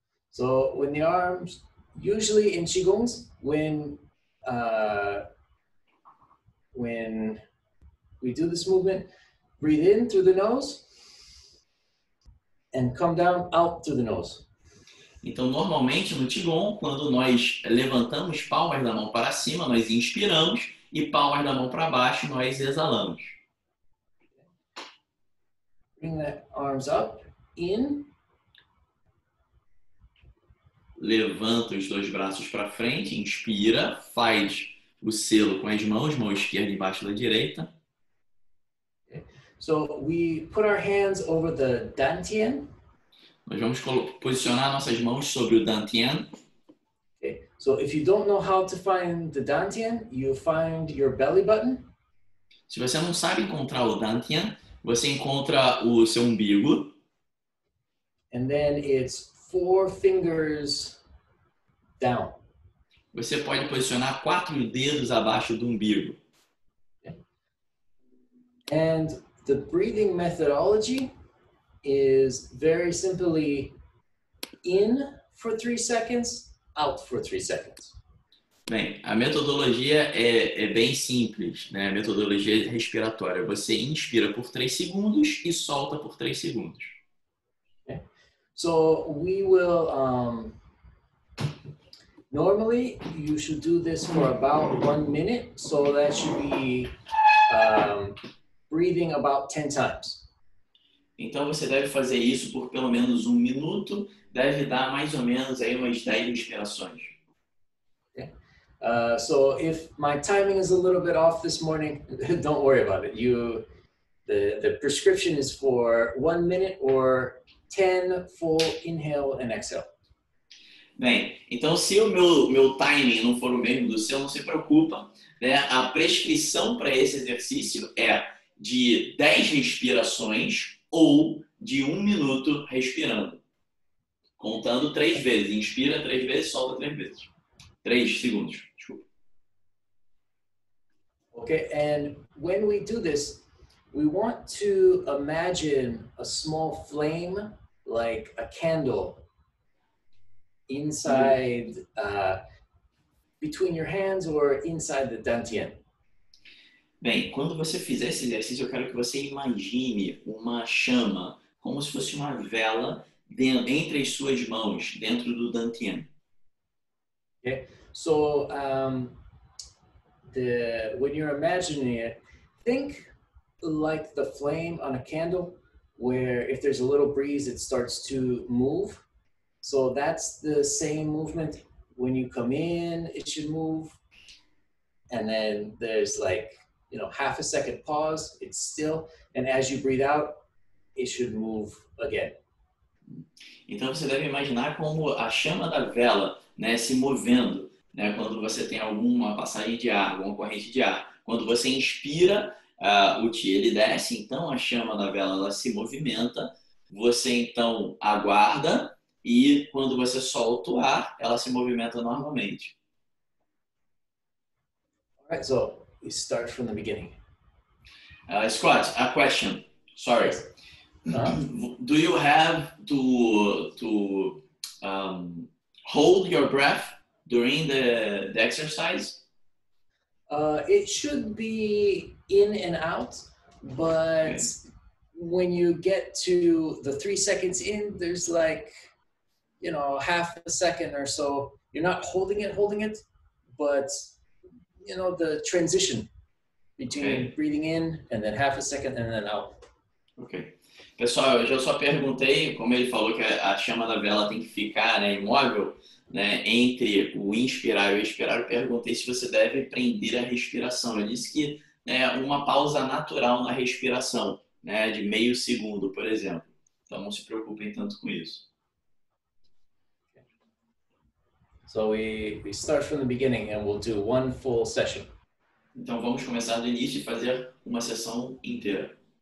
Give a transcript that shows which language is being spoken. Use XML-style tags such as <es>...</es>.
<en>So, when the arms, usually in Qigong, when we do this movement, breathe in through the nose and come down out through the nose.</en> <pt>Então, normalmente no Qigong, quando nós levantamos palmas da mão para cima, nós inspiramos e palmas da mão para baixo, nós exalamos.</pt> <en>Bring the arms up. In.</en> <pt>Levanta os dois braços para frente, inspira, faz o selo com as mãos, mão esquerda embaixo da direita.</pt> <en>Okay. So we put our hands over the dantian.</en> <pt>Nós vamos posicionar nossas mãos sobre o dantian.</pt> <en>Okay. So if you don't know how to find the dantian, you find your belly button.</en> <pt>Se você não sabe encontrar o dantian, você encontra o seu umbigo.</pt> <en>And then it's four fingers down.</en> <pt>Você pode posicionar quatro dedos abaixo do umbigo.</pt> <en>And the breathing methodology is very simply in for 3 seconds, out for 3 seconds.</en> <pt>Bem, a metodologia é bem simples, né? A metodologia respiratória. Você inspira por 3 segundos e solta por 3 segundos.</pt> <en>So we will, normally you should do this for about 1 minute. So that should be breathing about 10 times.</en> <pt>Então você deve fazer isso por pelo menos 1 minuto. Deve dar mais ou menos aí umas 10 respirações.</pt> <en>Okay. So if my timing is a little bit off this morning, don't worry about it. The prescription is for 1 minute or 10 full inhale and exhale.</en> <pt>Bem, então se o meu timing não for o mesmo do seu, não se preocupa, né? A prescrição para esse exercício é de 10 respirações ou de 1 minuto respirando. Contando 3 vezes. Inspira 3 vezes, solta 3 vezes. 3 segundos, desculpa.</pt> <en>Okay, and when we do this, we want to imagine a small flame like a candle inside, between your hands or inside the dantian.</en> <pt>Bem, quando você fizer esse exercício, eu quero que você imagine uma chama, como se fosse uma vela entre as suas mãos, dentro do dantian.</pt> <en>Okay, so when you're imagining it, think like the flame on a candle, where if there's a little breeze, it starts to move. So that's the same movement. When you come in, it should move. And then there's like, you know, half a second pause, it's still. And as you breathe out, it should move again.</en> <pt>Então você deve imaginar como a chama da vela, né, se movendo, né, quando você tem alguma passagem de ar, alguma corrente de ar. Quando você inspira, o chi ele desce, então a chama da vela ela se movimenta, você então aguarda e quando você solta o ar, ela se movimenta normalmente.</pt> <en>All right, so we start from the beginning. Scott, a question. Sorry. Do you have to hold your breath during the exercise? It should be in and out, but when you get to the 3 seconds in, there's like, you know, half a second or so. You're not holding it, but, you know, the transition between breathing in and then half a second and then out. Okay.</en> <pt>Pessoal, eu já só perguntei, como ele falou que a chama da vela tem que ficar, né, imóvel, né, entre o inspirar e o expirar, eu perguntei se você deve prender a respiração. Ele disse que é uma pausa natural na respiração, né, de meio segundo, por exemplo. Então não se preocupem tanto com isso.</pt> <en>So we start from the beginning and we'll do one full session.</en> <pt>Então vamos começar do início e fazer uma sessão inteira.</pt>